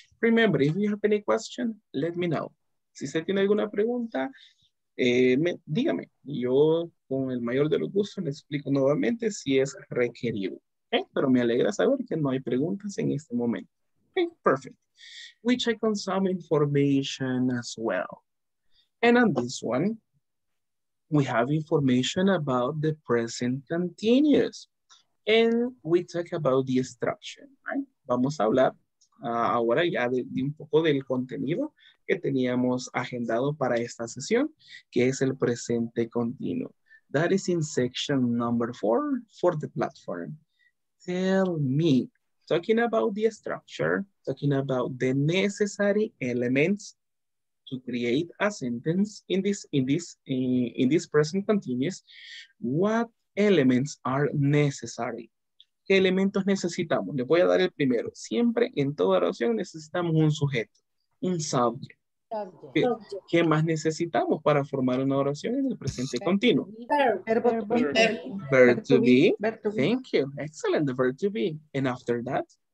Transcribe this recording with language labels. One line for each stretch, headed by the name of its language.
English: Remember, if you have any question, let me know.
Spanish: Si usted tiene alguna pregunta, dígame. Yo con el mayor de los gustos le explico nuevamente si es requerido. Okay? Pero me alegra saber que no hay preguntas en este momento.
English: Okay, perfect. We check on some information as well. And on this one, we have information about the present continuous. And we talk about the structure, right?
Spanish: Vamos a hablar ahora ya de un poco del contenido que teníamos agendado para esta sesión, que es el presente continuo.
English: That is in section number 4 for the platform. Tell me, talking about the structure, talking about the necessary elements to create a sentence in this present continuous, what elements are necessary?
Spanish: ¿Qué elementos necesitamos? Les voy a dar el primero. Siempre en toda oración necesitamos un sujeto, un subject. ¿Qué más necesitamos para formar una oración en el presente continuo?
English: Verb to be. Verb to be. Thank you. Excellent. The verb to be. And after that?